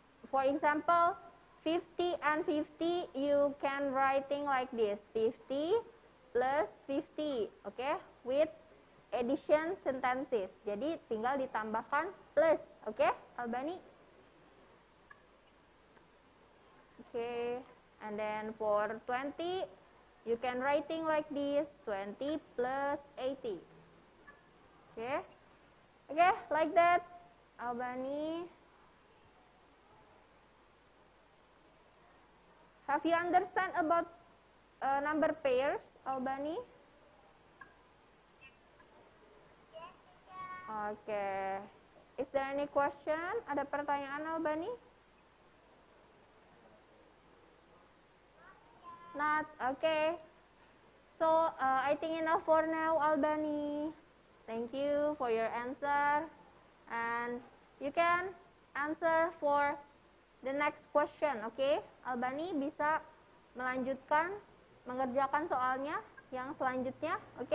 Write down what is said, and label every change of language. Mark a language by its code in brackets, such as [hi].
[en] For example, 50 and 50, you can writing like this, 50 plus 50, okay? With addition sentences. [id] Jadi tinggal ditambahkan plus, okay, Albani? [en] Okay, and then for 20, you can writing like this, 20 plus 80. Okay? Okay, like that, Albani. Have you understand about number pairs, Albani? Oke. Okay. Is there any question? [id] Ada pertanyaan, Albani? [en] Not. Oke. Okay. So, I think enough for now, Albani. Thank you for your answer. And you can answer for the next question, oke? Okay? [id] Albani bisa melanjutkan mengerjakan soalnya yang selanjutnya, oke?